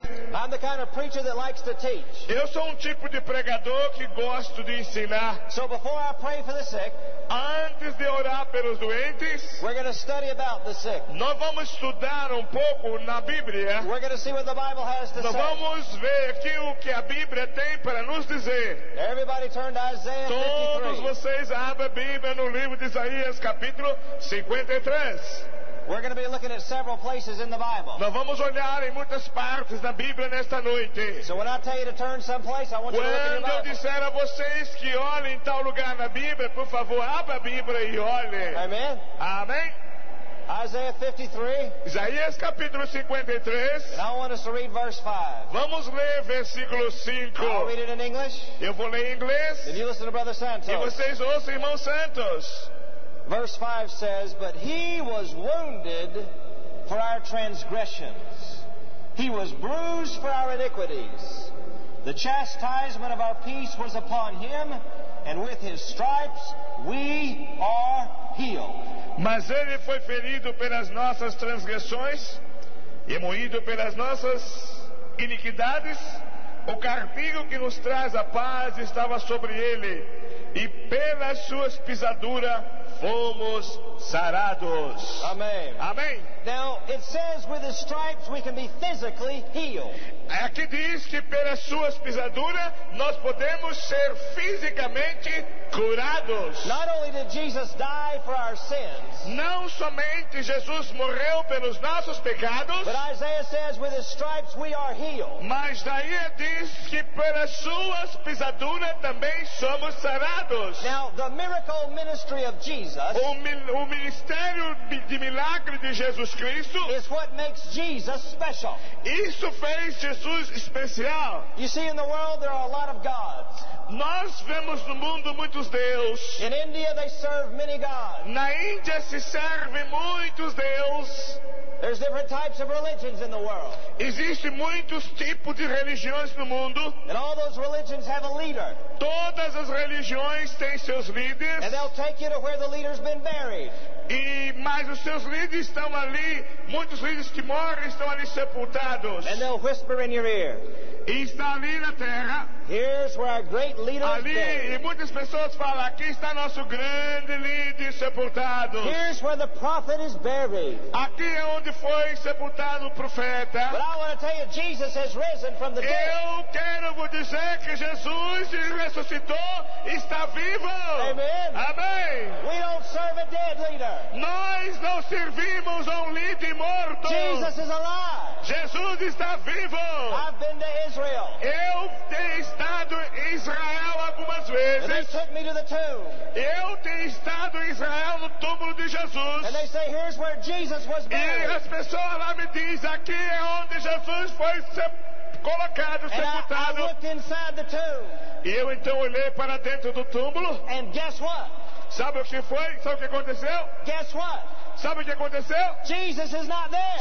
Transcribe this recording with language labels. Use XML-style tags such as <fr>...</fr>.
<en>I'm the kind of preacher that likes to teach.</en> <pt>Eu sou tipo de pregador que gosto de ensinar.</pt> <en>So before I pray for the sick,</en> <pt>antes de orar pelos doentes,</pt> <en>we're going to study about the sick.</en> <pt>Nós vamos estudar pouco na Bíblia.</pt> <en>We're going to see what the Bible has to</en> <pt>nós</pt> <en>say.</en> <pt>Vamos ver aqui o que a Bíblia tem para nos dizer.</pt> <en>Everybody turn to Isaiah 53.</en> <pt>Todos vocês abrem a Bíblia no livro de Isaías, capítulo 53.</pt> <en>We're going to be looking at several places in the Bible.</en> <pt>Nós vamos olhar em muitas partes da Bíblia nesta noite.</pt> <en>So when I tell you to turn someplace, I want you</en> <pt>quando Quando eu disser a vocês que olhem em tal lugar na Bíblia, por favor, abra a Bíblia e olhe.</pt> <en>Amen.</en> <pt>Amém.</pt> <en>Isaiah 53.</en> <pt>Isaías capítulo 53.</pt> <en>And I want us to read verse 5.</en> <pt>Vamos ler versículo 5.</pt> <en>I'll read it in English.</en> <pt>Eu vou ler em inglês.</pt> <en>And you listen to Brother Santos.</en> <pt>E vocês ouçam irmão Santos.</pt> <en>Verse 5 says, but he was wounded for our transgressions. He was bruised for our iniquities. The chastisement of our peace was upon him, and with his stripes we are healed.</en> <pt>Mas ele foi ferido pelas nossas transgressões, e moído pelas nossas iniquidades. O castigo que nos traz a paz estava sobre ele, e pelas suas pisaduras fomos sarados. Amém. Amém.</pt> <en>Now it says with his stripes we can be physically healed.</en> <pt>Aqui diz que pelas suas pisaduras nós podemos ser fisicamente curados.</pt> <en>Not only did Jesus die for our sins.</en> <pt>Não somente Jesus morreu pelos nossos pecados.</pt> <en>But Isaiah says with his stripes we are healed.</en> <pt>Mas daí diz que pelas suas pisaduras também somos sarados.</pt> <en>Now the miracle ministry of Jesus.</en> <pt>O ministério de milagre de Jesus Cristo</pt> <en>is what makes Jesus special.</en> <pt>Isso fez Jesus especial.</pt> <en>You see, in the world there are a lot of gods.</en> <pt>Nós vemos no mundo muitos deuses.</pt> <en>In India they serve many gods.</en> <pt>Na Índia se servem muitos deuses.</pt> <en>There's different types of religions in the world.</en> <pt>Existem muitos tipos de religiões no mundo.</pt> <en>And all those religions have a leader.</en> <pt>Todas as religiões têm seus líderes.</pt> <en>And they'll take you to where the leader's been buried.</en> <pt>Mas os seus líderes estão ali, muitos líderes que morrem estão ali sepultados.</pt> <en>And they'll whisper in your ear.</en> <pt>E está ali na terra.</pt> <en>Here's where our great leader</en> <pt>ali,</pt> <en>is.</en> <pt>E muitas pessoas falam, aqui está nosso grande líder sepultado.</pt> <en>Here's where the prophet is buried.</en> <pt>Aqui é onde foi sepultado o profeta.</pt> <en>But I want to tell you, Jesus has risen from the dead.</en> <pt>Eu quero vos dizer que Jesus ressuscitou e está vivo.</pt> <en>Amen.</en> <pt>Amém.</pt> <en>We don't serve a dead leader.</en> <pt>Nós não servimos a líder morto.</pt> <en>Jesus is alive.</en> <pt>Jesus está vivo.</pt> <en>I've been to Israel.</en> <pt>Eu tenho estado em Israel algumas vezes.</pt> <en>And they took me to the tomb.</en> <pt>Eu tenho estado em Israel no túmulo de Jesus.</pt> <en>And they say, here's where Jesus was buried.</en> <pt>E as pessoas lá me dizem, aqui é onde Jesus foi colocado,</pt> <en>and</en> <pt>sepultado.</pt> <en>I looked inside the tomb.</en> <pt>E eu então olhei para dentro do túmulo.</pt> <en>And guess what?</en> <pt>Sabe o que foi? Sabe o que aconteceu?</pt> <en>Guess what?</en> <pt>Sabe o que aconteceu?</pt> <en>Jesus is not there.</en>